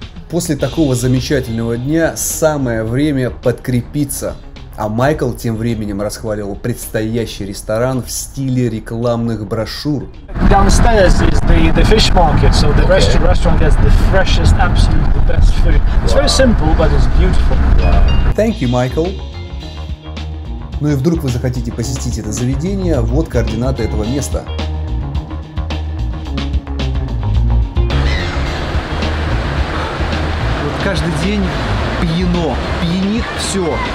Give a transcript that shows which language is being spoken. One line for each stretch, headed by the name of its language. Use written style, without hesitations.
Russian: После такого замечательного дня самое время подкрепиться. А Майкл тем временем расхваливал предстоящий ресторан в стиле рекламных брошюр.
English: Downstairs is the fish market, so the restaurant gets the freshest, absolutely the best food. It's very simple, but it's beautiful. Thank you, Michael.
Russian: Ну и вдруг вы захотите посетить это заведение, вот координаты этого места. Вот каждый день пьяно, пьянит все.